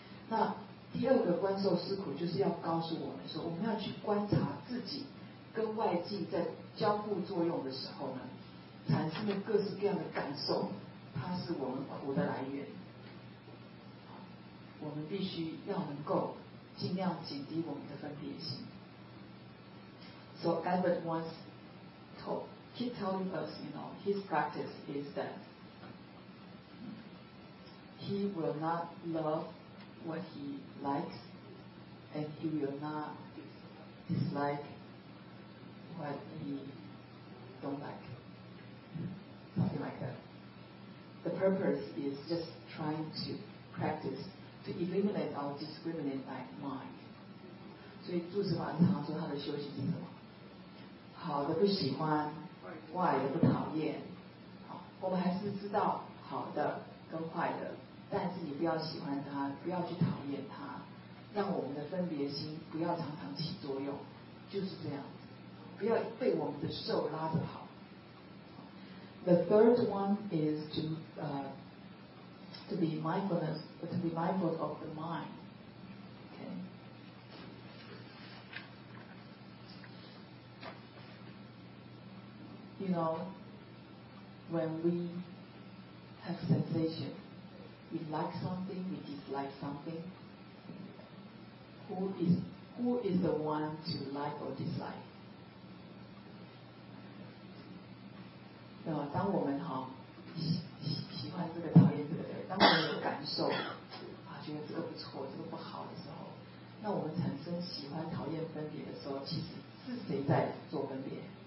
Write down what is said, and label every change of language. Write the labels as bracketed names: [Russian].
[Chinese] 那第二个观受思苦，就是要告诉我们说，我们要去观察自己跟外境在交互作用的时候呢，产生的各式各样的感受，它是我们苦的来源。我们必须要能够尽量减低我们的分别心。 [English] So Albert once keep telling us, you know, his practice is that he will not love what he likes, and he will not dislike what he don't like. Something like that. The purpose is just trying to practice to eliminate our discriminating mind. [Chinese] 所以住持法师常说他的修行是什么？好的不喜欢，坏的不讨厌。好，我们还是知道好的跟坏的，但是你不要喜欢它，不要去讨厌它，让我们的分别心不要常常起作用，就是这样，不要被我们的受拉着跑。 [English] The third one is to be mindful of the mind. you know, when we have sensation, we like something, we dislike something, who is the one to like or dislike? [Chinese] 当我们好喜欢这个讨厌这个的，当我们有感受啊，觉得这个不错这个不好的时候，那我们产生喜欢讨厌分别的时候，其实是谁在做分别？